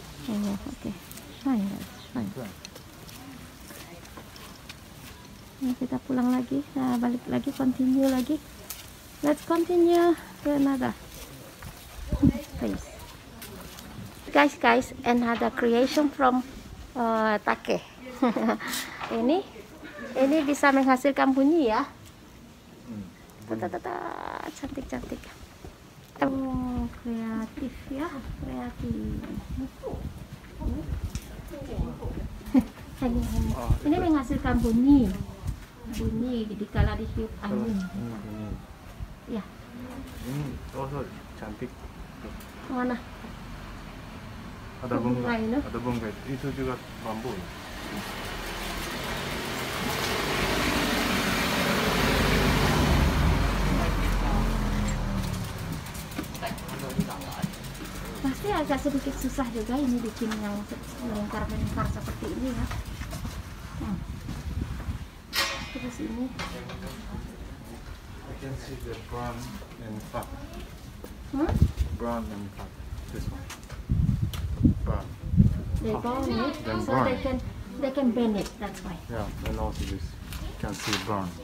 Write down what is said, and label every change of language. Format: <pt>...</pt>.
<en>Oh, okay. Shrine, guys. Fine.</en> <id>Nah, kita pulang lagi, nah, balik lagi, continue lagi.</id> <en>Let's continue to another place. Guys, another creation from Take.</en> <id>ini bisa menghasilkan bunyi ya. Tata-tata, cantik. Oh, kreatif ya, kreatif. Oh, ini menghasilkan bunyi dikala dihiup angin. Ya. Oh, cantik. Mana? Ada bunga. Ada bunga. Itu juga bambu. Pasti agak sedikit susah juga ini bikin yang melingkar-melingkar seperti ini ya.</id> <en>I can see the brown and fat. Huh? Brown and fat. This one. Brown. They bend it, then so brown. they can bend it. That's why. Yeah, and also this. You can see brown.</en>